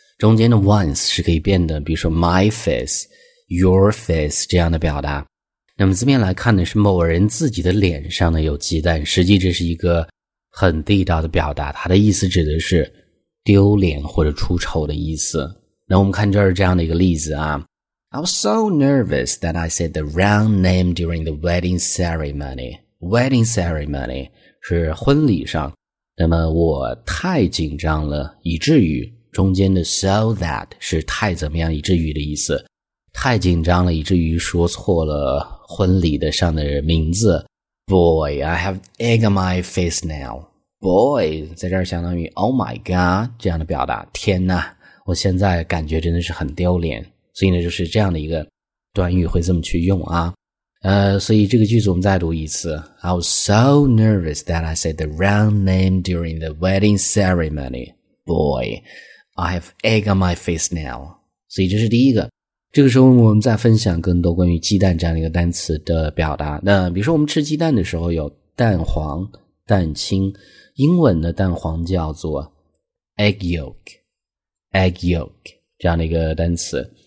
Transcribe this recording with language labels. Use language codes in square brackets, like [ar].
[zh] 中间的 one's 是可以变的，比如说 my face, your face 这样的表达。那么字面来看呢，是某人自己的脸上呢有鸡蛋，实际这是一个很地道的表达，它的意思指的是丢脸或者出丑的意思。那我们看这儿这样的一个例子啊， I was so nervous that I said the wrong name during the wedding ceremony. Wedding ceremony 是婚礼上，那么我太紧张了，以至于中间的 so that 是太怎么样，以至于的意思，太紧张了，以至于说错了婚礼的上的名字。 [en] Boy, I have egg on my face now. [zh] Boy 在这儿相当于 Oh my God 这样的表达，天哪，我现在感觉真的是很丢脸。所以呢，就是这样的一个短语会这么去用啊。所以这个句子我们再读一次。 [en] I was so nervous that I said the wrong name during the wedding ceremony. Boy, I have egg on my face now. [zh] 所以这是第一个。这个时候我们再分享更多关于鸡蛋这样的一个单词的表达。那比如说我们吃鸡蛋的时候有蛋黄、蛋清。英文的蛋黄叫做 egg yolk, egg yolk, 这样的一个单词。